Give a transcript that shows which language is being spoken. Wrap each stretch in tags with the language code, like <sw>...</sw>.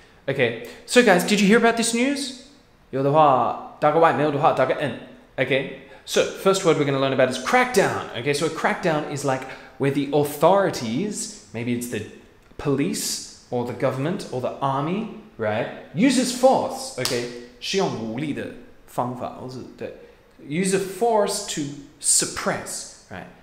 <en>Okay, so guys, did you hear about this news?</en> <zh>有的话,打个Y, 没有的话,打个N.</zh> <en>Okay, so first word we're going to learn about is crackdown. Okay, so a crackdown is like where the authorities, maybe it's the police or the government or the army, right, uses force, okay,</en> <zh>使用武力的方法, 或是对,</zh> <en>use a force to suppress, right?</en>